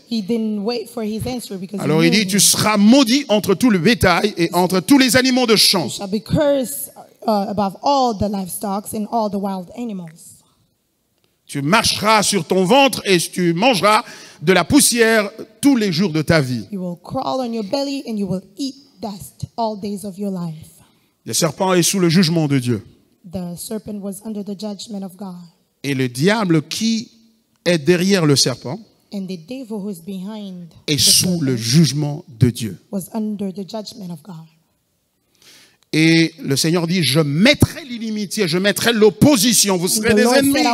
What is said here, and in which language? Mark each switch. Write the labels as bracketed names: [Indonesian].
[English] He didn't wait for his answer because [French] alors [English] he [French] il dit, tu seras maudit entre tout le bétail et entre tous les animaux de champ. [English] You shall be cursed above all the livestock and all the wild animals. [French] Tu marcheras sur ton ventre et tu mangeras de la poussière tous les jours de ta vie. [English] You will crawl on your belly and you will eat dust all days of your life. [French] Le serpent est sous le jugement de Dieu. [English] The serpent was under the judgment of God. [French] Et le diable qui est derrière le serpent [English] and the devil who is behind [French] est [English] the [French] sous serpent le jugement de Dieu. [English] Was under the judgment of God. [French] Et le Seigneur dit, je mettrai l'inimitié, je mettrai l'opposition, vous serez des ennemis.